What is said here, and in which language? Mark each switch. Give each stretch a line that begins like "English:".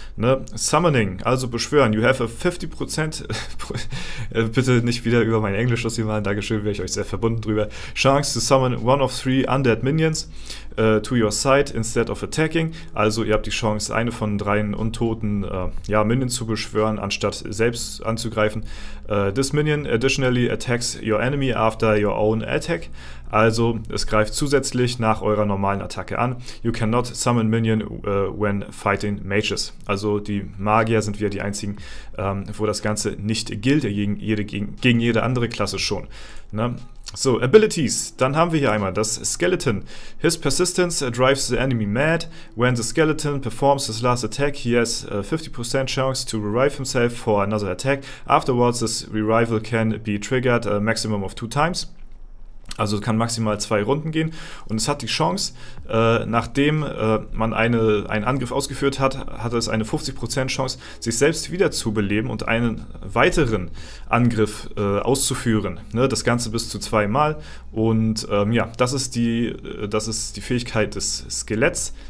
German: Ne? Summoning, also beschwören.
English: You have a 50%
German: bitte nicht wieder über mein Englisch, was ihr meint. Dankeschön, wäre ich euch sehr verbunden drüber.
English: Chance to summon one of three undead minions to your side instead of attacking.
German: Also ihr habt die Chance, eine von dreien untoten Minions zu beschwören, anstatt selbst anzugreifen.
English: This minion additionally attacks your enemy after your own attack.
German: Also es greift zusätzlich nach eurer normalen Attacke an.
English: You cannot summon minion when fighting mages.
German: Also die Magier sind wieder die einzigen, wo das Ganze nicht gilt, gegen jede andere Klasse schon. Ne? So, Abilities. Dann haben wir hier einmal das Skeleton.
English: His persistence drives the enemy mad. When the skeleton performs his last attack, he has a 50% chance to revive himself for another attack. Afterwards, this revival can be triggered a maximum of 2 times.
German: Also kann maximal 2 Runden gehen und es hat die Chance, nachdem man einen Angriff ausgeführt hat, hat es eine 50% Chance, sich selbst wieder zu beleben und einen weiteren Angriff auszuführen. Ne, das Ganze bis zu 2 Mal und das ist die Fähigkeit des Skeletts.